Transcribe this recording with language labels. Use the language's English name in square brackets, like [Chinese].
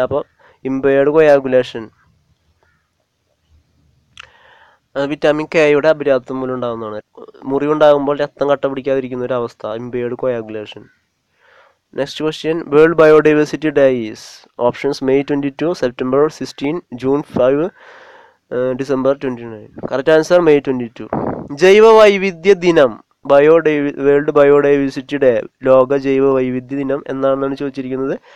[Malayalam] അപ്പോൾ ഇമ്പയേർഡ് coagulation, vitamin K അപര്യാപ്തം മൂലം ഉണ്ടാകുന്നതാണ്. മുറിവുണ്ടാകുമ്പോൾ രക്തം കട്ട പിടിക്കാതിരിക്കുന്ന ഒരവസ്ഥ, ഇമ്പയേർഡ് coagulation. [English] Next question, world biodiversity days. Options May 22, September 16, June 5, December 29. Correct answer May 22. [Malayalam] ജൈവ വൈവിധ്യ ദിനം, വേൾഡ് ബയോഡൈവേഴ്സിറ്റി ഡേ, ലോക ജൈവ വൈവിധ്യ ദിനം എന്നാണെന്നാണ് ചോദിച്ചിരിക്കുന്നത്.